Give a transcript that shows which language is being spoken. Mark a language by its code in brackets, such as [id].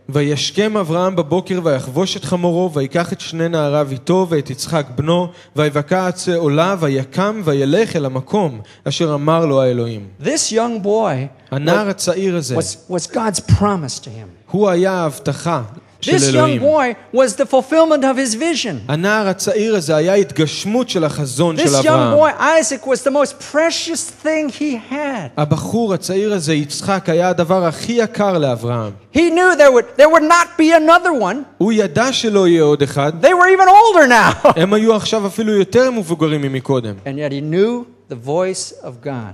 [he] וישכם אברהם בבוקר ויחבוש את חמורו ויקח את שני נעריו איתו ואת יצחק בנו ויבקע עצי עולה ויקם וילך אל המקום אשר אמר לו האלוהים. [en] This young boy, [he] הנער הצעיר הזה, [en] was God's promise to him. [he] הוא היה ההבטחה של אלוהים. [en] This young boy was the fulfillment of his vision. [he] הנער הצעיר הזה היה התגשמות של החזון של אברהם. [en] This young boy, Isaac, was the most precious thing he had. [he] הבחור הצעיר הזה, יצחק, היה הדבר הכי יקר לאברהם. [en] He knew there would not be another one. [he] הוא ידע שלא יהיה עוד אחד. [en] They were even older now. [he] הם היו עכשיו אפילו יותר מבוגרים ממקודם. [en] And yet he knew the voice of God.